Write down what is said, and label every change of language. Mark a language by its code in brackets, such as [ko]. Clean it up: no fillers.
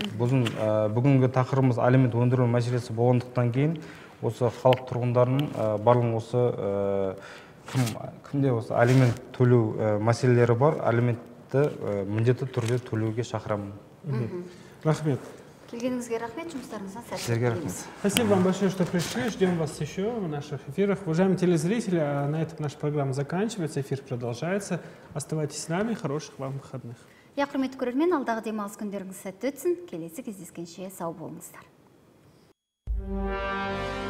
[kk] Бүгінгі тақырыбымыз алимент өндіру мәселесі болғандықтан кейін осы халық тұрғындарының барлығын осы кімде осы алимент төлеу мәселелері бар, алиментті міндетті түрде төлеуге шақырамын. Рахмет. Келгеніңізге рахмет, жұмыстарыңызға сәттілік. Сіздерге рахмет. [ru] Спасибо вам большое, что пришли. Ждем вас еще в наших эфирах. Уважаемые телезрители, на этом наша программа заканчивается, эфир продолжается. Оставайтесь с нами, хороших вам выходных. [kk] Я құрметті көрермен, алдағы демалыс күндеріңіз сәтті өтсін. Келесі кездескенше сау болыңыздар.